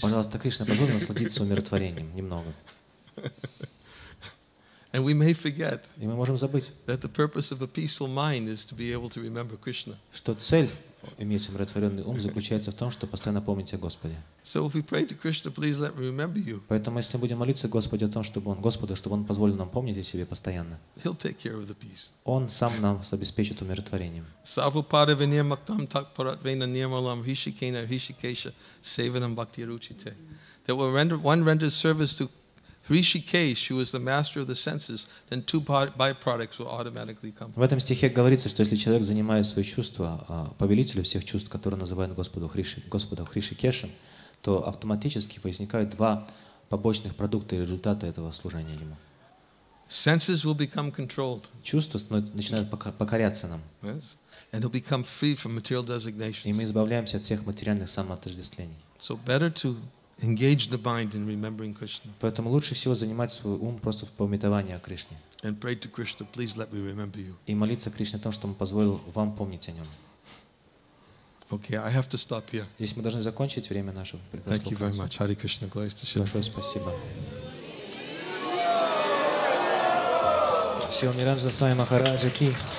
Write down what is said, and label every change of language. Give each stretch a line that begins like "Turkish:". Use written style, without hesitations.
Russian: Пожалуйста, Кришна, позволь насладиться умиротворением немного.
English: And we may forget.
Russian: И мы можем забыть.
English: That the purpose of a peaceful mind is to be able to remember Krishna.
Russian: Что цель иметь умиротворенный ум заключается в том, что постоянно помнить о Господе.
English: So if we pray to Krishna, please let me remember you.
Russian: Поэтому если будем молиться Господу о том, чтобы Он, Господу, чтобы Он позволил нам помнить о себе постоянно.
English: He'll take care of the peace.
Russian: Он сам нам обеспечит умиротворением.
Sanskrit: Савупада винемактам такпаратвейна нирмалам хишикена хишикеша севинам бхактиручите.
English: That one renders service to Hrishikesh, who is the master of the senses, then two byproducts will automatically come.
Russian: В этом стихе говорится, что если человек занимает свои чувства повелителю всех чувств, который называют Господа Хришикешем, то автоматически возникают два побочных продукта и результата этого служения ему.
English: Senses will become controlled.
Russian: Чувства начинают покоряться нам.
English: Yes. And he'll become free from material designations.
Russian: И мы избавляемся от всех материальных самоотождествлений.
English: So better to engage the mind in remembering Krishna.
Russian: Поэтому лучше всего занимать свой ум просто в памятовании о Кришне.
English: And pray to Krishna, please let me remember you.
Russian: И молиться Кришне о том, чтобы Он позволил вам помнить о Нем.
English: Okay, I have to stop here.
Russian: Здесь мы должны закончить время нашего предпослуха.
English: Thank you very much. Hare Krishna, glory to Shri.
Russian: Большое спасибо. Шри Ниранджана Свами Махараджа ки.